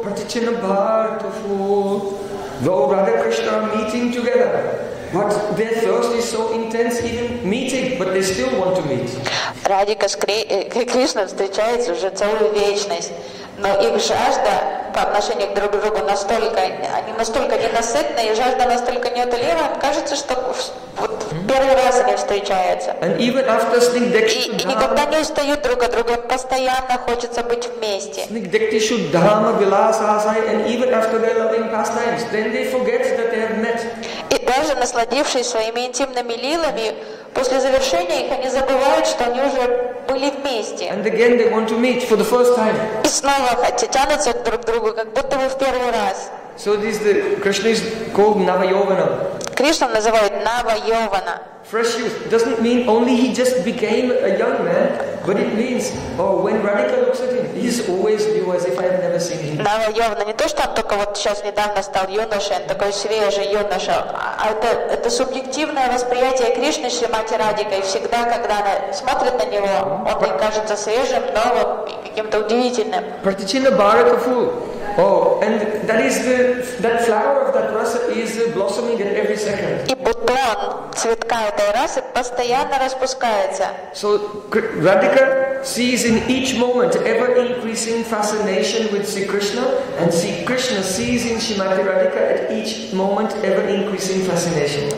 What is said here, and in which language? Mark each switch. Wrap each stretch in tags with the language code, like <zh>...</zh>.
<en>Though Radha Krishna are meeting together, but their thirst is so intense even meeting, but they still want to meet.</en> <ru>Radhika and Krishna встречаются уже целую вечность, но их жажда по отношению друг к другу настолько, они настолько ненасытны, и жажда настолько неутолима, кажется, что вот в первый раз они встречаются.</ru> <en>And even after Snigdekshu</en> <ru>Dhamma, и никогда не устают друг от друга, постоянно хочется быть вместе.</ru> <en>Snigdekshu Dhamma Vilasasai, and even after their loving pastimes, then they forget that they have met.</en> <ru>И даже насладившись своими интимными лилами, после завершения их они забывают, что они уже были вместе.</ru> <en>And again they want to meet for the first time.</en> <ru>И снова хотят тянуться друг к другу, как будто бы в первый раз.</ru> <en>So this the Krishna is called Navayovana.</en> <ru>Кришна называют Навайована.</ru> <en>Fresh youth doesn't mean only he just became a young man, but it means, oh, when Radhika looks at him, he's always new as if I had never seen him.</en> <ru>Навайована не то, что он только вот сейчас недавно стал юношей, такой свежий юноша, а это субъективное восприятие Кришны Шримати Радикой. Всегда, когда она смотрит на него, он ей кажется свежим, новым, каким-то удивительным. Pratichina Bharatafu.</ru> <en>Oh, and that is that flower of that rasa is blossoming at every second.</en> <ru>И бутон цветка этой расы постоянно распускается.</ru> <en>So Radhika sees in each moment ever increasing fascination with Sri Krishna, and Sri Krishna sees in Srimati Radhika at each moment ever increasing fascination.</en>